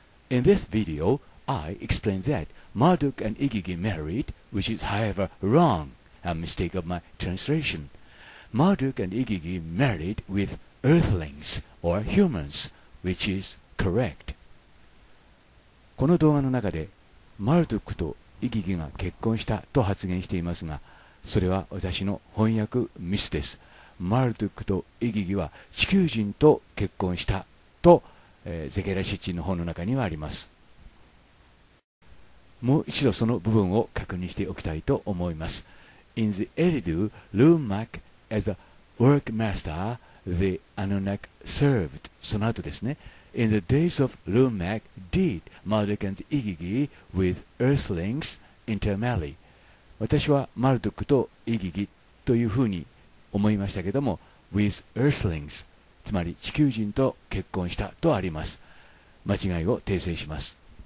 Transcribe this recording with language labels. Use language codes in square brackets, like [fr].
[en] In this video, I explained that Marduk and Igigi married, which is however wrong, a mistake of my translation. Marduk and Igigi married with earthlings or humans, which is correct. [ja] この動画の中で、マルドックとイギギが結婚したと発言していますが、それは私の翻訳ミスです。マルドックとイギギは地球人と結婚したと、ゼケラシッチの本の中にはあります。もう一度その部分を確認しておきたいと思います。 [en] In the Eridu, Lumak as a workmaster, the Anunnak served. [ja] その後ですね、 [en] In the days of Lumak did Marduk and Igigi with earthlings intermarry. [ja] 私はマルドックとイギギというふうに思いましたけども、 [en] with earthlings、 [ja] つまり地球人と結婚したとあります。間違いを訂正します。